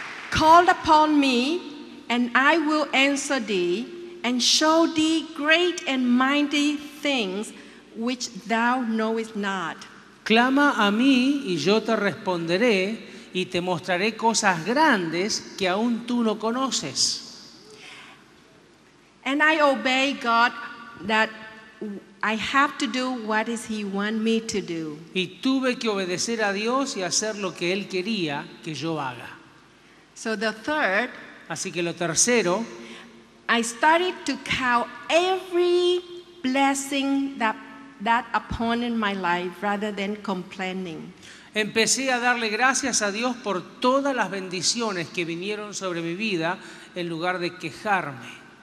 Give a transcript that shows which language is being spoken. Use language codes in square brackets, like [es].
[en] Call upon me and I will answer thee and show thee great and mighty things which thou knowest not. [es] Clama a mí y yo te responderé y te mostraré cosas grandes que aún tú no conoces. [en] And I obey God that I have to do what is he want me to do. [es] Y tuve que obedecer a Dios y hacer lo que él quería que yo haga. [en] So the third, [es] así que lo tercero, [en] I started to count every blessing that upon in my life rather than complaining. [es] Empecé a darle gracias a Dios por todas las bendiciones que vinieron sobre mi vida en lugar de quejarme.